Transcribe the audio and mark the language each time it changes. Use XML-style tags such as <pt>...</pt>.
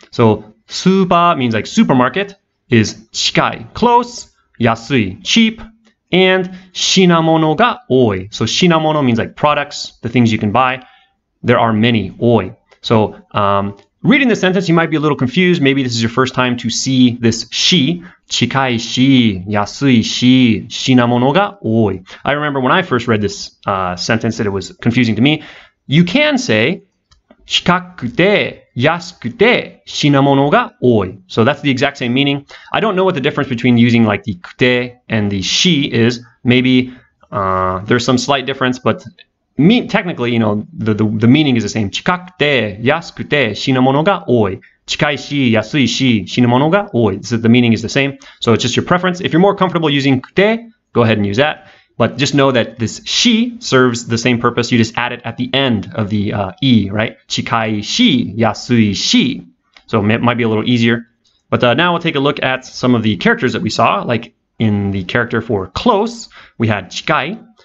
<en>So super means like supermarket is 近い, close, 安い, cheap, and</en> <ja>品物が多い.</ja> <en>So 品物 means like products, the things you can buy. There are many 多い. So reading the sentence, you might be a little confused. Maybe this is your first time to see this shi.</en> <ja>近いし、安いし、品物が多い.</ja> <en>I remember when I first read this sentence that it was confusing to me. You can say</en> <ja>近くて安くて品物が多い.</ja> <en>So that's the exact same meaning. I don't know what the difference between using like the kute and the shi is. Maybe there's some slight difference, but technically, you know, the meaning is the same.</en> <ja>近くて安くて品物が多い.近いし安いし品物が多い.</ja> <en>So the meaning is the same. So it's just your preference. If you're more comfortable using kute, go ahead and use that. But just know that this shi serves the same purpose. You just add it at the end of the e, right?</en> <ja>近いし安いし.</ja> <en>So it might be a little easier. But now we'll take a look at some of the characters that we saw. Like in the character for close, we had 近い.</en>